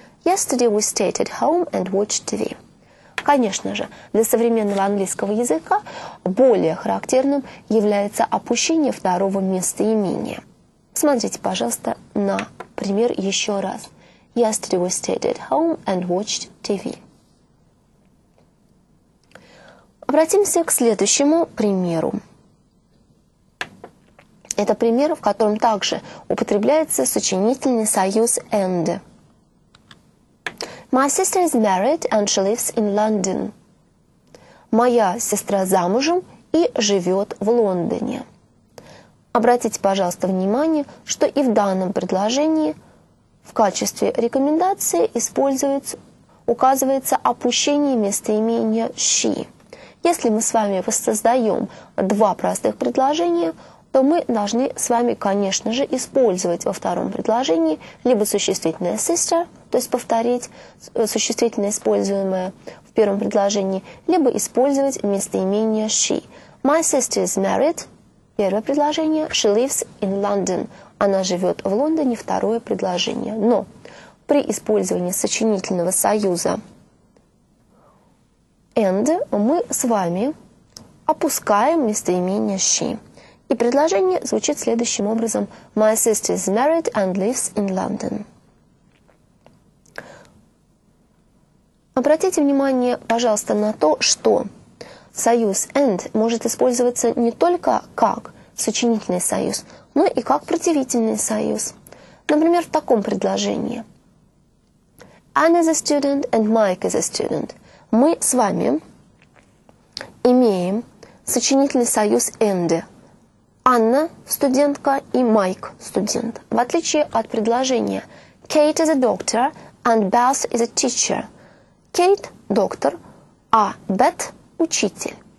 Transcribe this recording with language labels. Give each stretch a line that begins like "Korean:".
English: Yesterday we stayed at home and watched TV.
Russian: Конечно же, для современного английского языка более характерным является опущение второго местоимения. Смотрите, пожалуйста, на пример еще раз.
English: Yesterday we stayed at home and watched TV.
Russian: Обратимся к следующему примеру. Это пример, в котором также употребляется сочинительный союз and.
English: My sister is married and she lives in London.
Russian: Моя сестра замужем и живет в Лондоне. Обратите, пожалуйста, внимание, что и в данном предложении в качестве рекомендации используется, указывается опущение местоимения she. Если мы с вами воссоздаем два простых предложения, то мы должны с вами, конечно же, использовать во втором предложении либо существительное sister, то есть повторить существительное, используемое в первом предложении, либо использовать местоимение she.
English: My sister is married.
Russian: Первое предложение.
English: She lives in London.
Russian: Она живет в Лондоне. Второе предложение. Но при использовании сочинительного союза and мы с вами опускаем местоимение she. И предложение звучит следующим образом.
English: My sister is married and lives in London.
Russian: Обратите внимание, пожалуйста, на то, что союз and может использоваться не только как сочинительный союз, но и как противительный союз. Например, в таком предложении.
English: Anne is a student and Mike is a student.
Russian: Мы с вами имеем сочинительный союз and. Анна – студентка и Майк – студент. В отличие от предложения
English: Kate is a doctor and Beth is a teacher.
Russian: Кейт – доктор, а Бет – учитель.